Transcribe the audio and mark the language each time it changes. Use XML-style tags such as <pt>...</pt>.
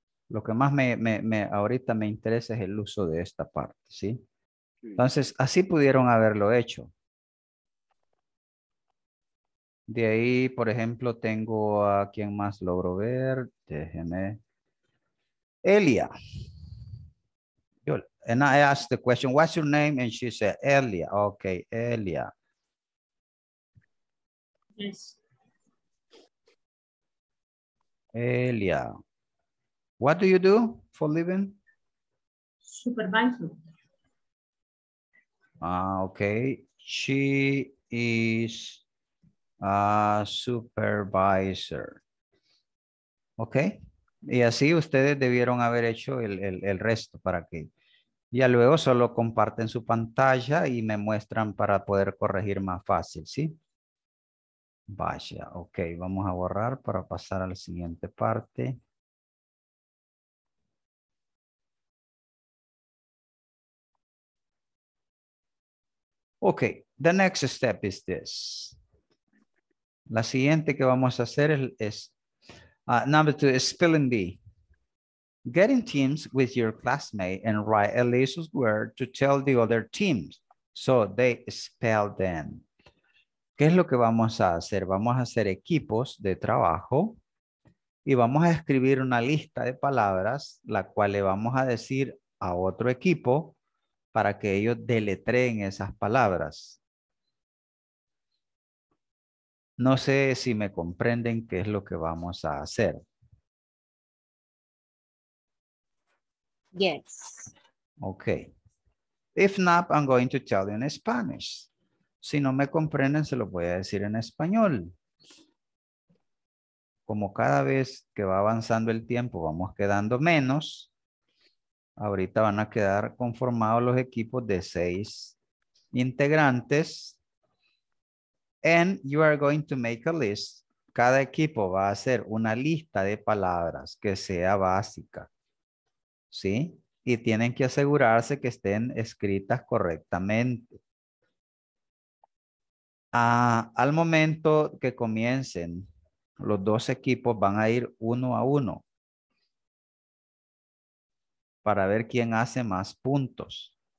<es>Lo que más ahorita me interesa es el uso de esta parte, ¿sí? Entonces, así pudieron haberlo hecho. De ahí, por ejemplo, tengo a quién más logro ver. Déjenme. Elia.</es> <en>And I asked the question, what's your name? And she said, Elia. Okay, Elia. Yes. Elia. What do you do for living? Supervisor. Ah, okay. She is a supervisor. Okay.</en> <es>Y así ustedes debieron haber hecho el resto para que. Ya luego solo comparten su pantalla y me muestran para poder corregir más fácil, ¿sí? Vaya, okay. Vamos a borrar para pasar a la siguiente parte.</es> <en>Okay, the next step is this.</en> <es>La siguiente que vamos a hacer es</es> <en>number two is spelling bee. Get in teams with your classmate and write a list of words to tell the other teams so they spell them.</en> <es>¿Qué es lo que vamos a hacer? Vamos a hacer equipos de trabajo y vamos a escribir una lista de palabras la cual le vamos a decir a otro equipo para que ellos deletreen esas palabras. No sé si me comprenden qué es lo que vamos a hacer.</es> <en>Yes. Okay. If not, I'm going to tell you in Spanish.</en> <es>Si no me comprenden, se lo voy a decir en español. Como cada vez que va avanzando el tiempo, vamos quedando menos. Ahorita van a quedar conformados los equipos de 6 integrantes.</es> <en>And you are going to make a list.</en> <es>Cada equipo va a hacer una lista de palabras que sea básica. ¿Sí? Y tienen que asegurarse que estén escritas correctamente. Al momento que comiencen, los dos equipos van a ir uno a uno para ver quién hace más puntos.</es>